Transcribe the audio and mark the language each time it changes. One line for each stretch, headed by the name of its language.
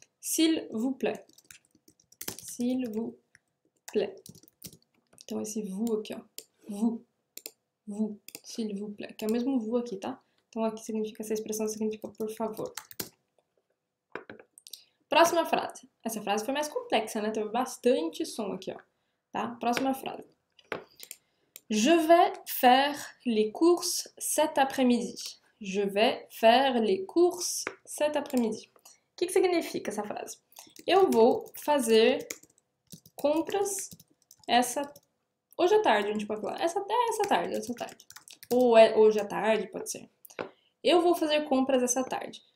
French: S'il vous plaît. S'il vous plaît.
Portuguese: Então, esse vous aqui, ó.
French: Vous. Vous. S'il vous plaît.
Portuguese: Que é o mesmo vous aqui, tá? Então, aqui significa, essa expressão significa por favor. Próxima frase. Essa frase foi mais complexa, né? Teve bastante som aqui, ó. Tá? Próxima frase.
French: Je vais faire les courses cet après-midi. Je vais faire les courses cet après-midi.
Portuguese: O que que significa essa frase? Eu vou fazer compras essa. Hoje à tarde, a gente pode falar. Essa tarde, essa tarde. Ou é hoje à tarde, pode ser. Eu vou fazer compras essa tarde.